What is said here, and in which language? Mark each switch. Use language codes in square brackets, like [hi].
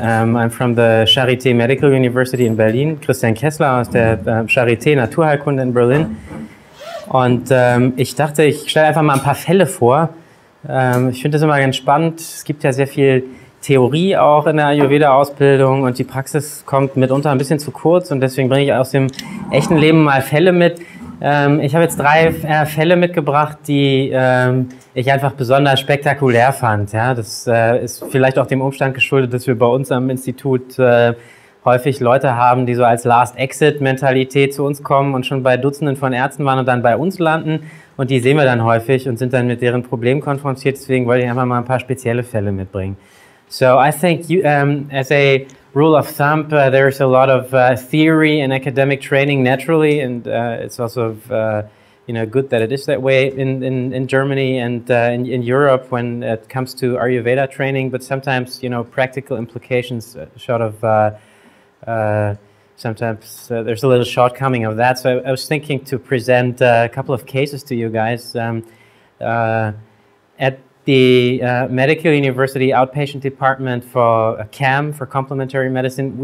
[en] I'm from the Charité Medical University in Berlin. [de] Christian Kessler aus der Charité Naturheilkunde in Berlin. Und ich dachte, ich stelle einfach mal ein paar Fälle vor. Ich finde das immer ganz spannend. Es gibt ja sehr viel Theorie auch in der Ayurveda-Ausbildung und die Praxis kommt mitunter ein bisschen zu kurz und deswegen bringe ich aus dem echten Leben mal Fälle mit. Ich habe jetzt drei Fälle mitgebracht, die ich einfach besonders spektakulär fand. Ja, das ist vielleicht auch dem Umstand geschuldet, dass wir bei uns am Institut häufig Leute haben, die so als Last-Exit-Mentalität zu uns kommen und schon bei Dutzenden von Ärzten waren und dann bei uns landen. Und die sehen wir dann häufig und sind dann mit deren Problemen konfrontiert. Deswegen wollte ich einfach mal ein paar spezielle Fälle mitbringen. [en] So I think you, as a rule of thumb, there's a lot of theory and academic training naturally, and it's also you know, good that it is that way in Germany and in Europe when it comes to Ayurveda training. But sometimes, you know, practical implications sort of sometimes there's a little shortcoming of that. So I was thinking to present a couple of cases to you guys at the medical university outpatient department for a CAM, for complementary medicine.